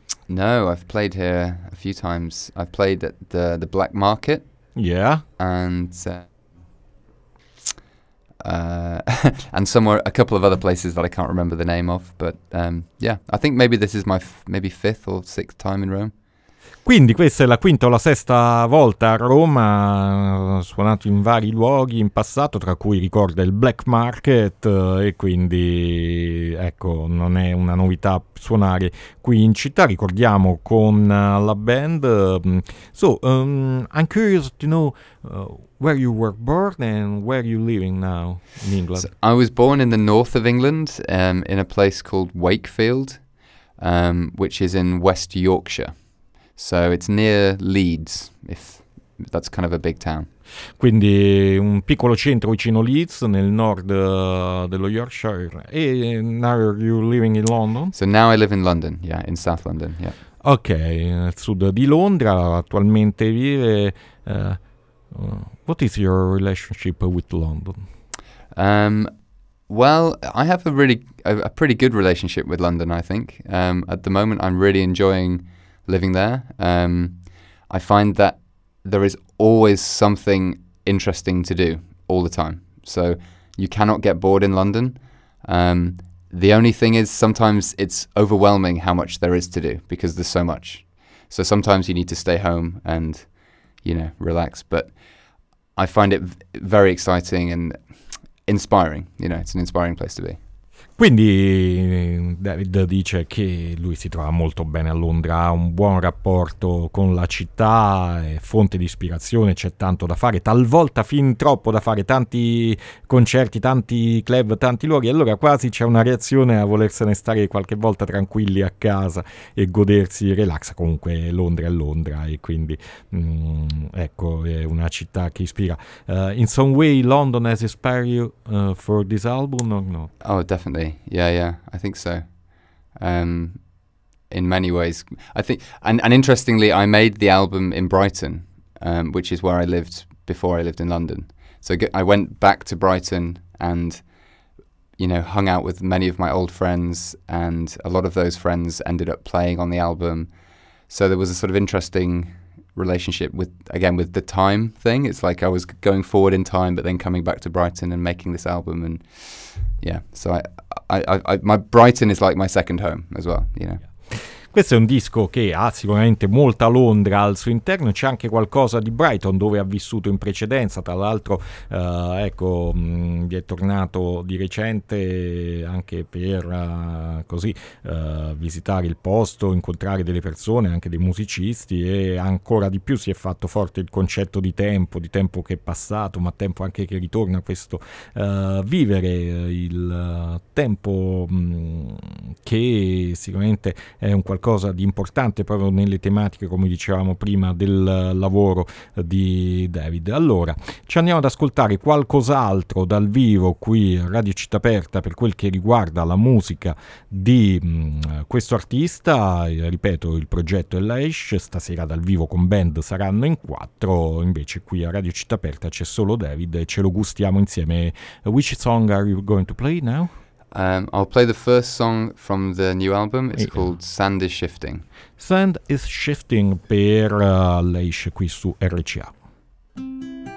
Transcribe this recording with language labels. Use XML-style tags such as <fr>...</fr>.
<en>No, I've played here a few times. I've played at the Black Market. Yeah. And somewhere, a couple of other places that I can't remember the name of. But yeah, I think maybe this is my maybe fifth or sixth time in Rome.</en> <it>Quindi questa è la quinta o la sesta volta a Roma, suonato in vari luoghi in passato, tra cui ricorda il Black Market, e quindi ecco, non è una novità suonare qui in città, ricordiamo, con la band.</it> <en>So, I'm curious to know where you were born and where you're living now in England. So I was born in the north of England, in a place called Wakefield, which is in West Yorkshire. So it's near Leeds, if that's kind of a big town.</en> <it>Quindi un piccolo centro vicino Leeds, nel nord dello Yorkshire.</it> <en>E now you're living in London? So now I live in London, yeah, in South London, yeah.</en> <it>Ok, al sud di Londra, attualmente vive.</it> <en>What is your relationship with London? Well, I have a pretty good relationship with London, I think. At the moment I'm really enjoying living there. I find that there is always something interesting to do all the time. So you cannot get bored in London. The only thing is sometimes it's overwhelming how much there is to do because there's so much. So sometimes you need to stay home and, you know, relax. But I find it very exciting and inspiring. You know, it's an inspiring place to be.</en> <it>Quindi David dice che lui si trova molto bene a Londra, ha un buon rapporto con la città, è fonte di ispirazione, c'è tanto da fare, talvolta fin troppo da fare, tanti concerti, tanti club, tanti luoghi, allora quasi c'è una reazione a volersene stare qualche volta tranquilli a casa e godersi, relax, comunque Londra è Londra e quindi ecco, è una città che ispira.</it> <en>In some way London has inspired you for this album or no? Oh, definitely. Yeah, I think so. In many ways, I think, and interestingly, I made the album in Brighton, which is where I lived before I lived in London. So I went back to Brighton and, you know, hung out with many of my old friends, and a lot of those friends ended up playing on the album. So there was a sort of interesting relationship with, again, with the time thing. It's like I was going forward in time, but then coming back to Brighton and making this album, and yeah. So I my Brighton is like my second home as well, you know.</en> <it>Questo è un disco che ha sicuramente molta Londra al suo interno, c'è anche qualcosa di Brighton dove ha vissuto in precedenza, tra l'altro ecco, vi è tornato di recente anche per così visitare il posto, incontrare delle persone, anche dei musicisti, e ancora di più si è fatto forte il concetto di tempo che è passato, ma tempo anche che ritorna, questo vivere il tempo che sicuramente è un qualcosa di importante proprio nelle tematiche, come dicevamo prima, del lavoro di David. Allora, ci andiamo ad ascoltare qualcos'altro dal vivo qui a Radio Città Aperta per quel che riguarda la musica di questo artista. Ripeto, il progetto è Lash, stasera dal vivo con band saranno in quattro, invece qui a Radio Città Aperta c'è solo David e ce lo gustiamo insieme.</it> <en>Which song are you going to play now? I'll play the first song from the new album. It's called Sand is Shifting.</en> <it>Sand is Shifting per Leish qui su RCA.</it>